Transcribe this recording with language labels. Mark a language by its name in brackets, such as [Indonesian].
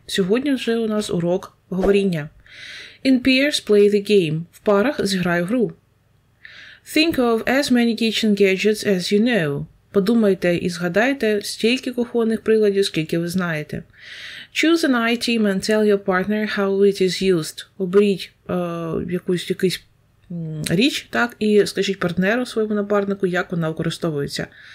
[Ukrainian] Сьогодні вже у нас урок говоріння. [English] In pairs, play the game. [Ukrainian] В парах зіграй гру. [English] Think of as many kitchen gadgets as you know. [Ukrainian] Подумайте і згадайте стільки кухонних приладів, скільки ви знаєте. [English] Choose an item and tell your partner how it is used. [Ukrainian] Оберіть якусь річ, так, і скажіть партнеру своєму напарнику, як вона використовується.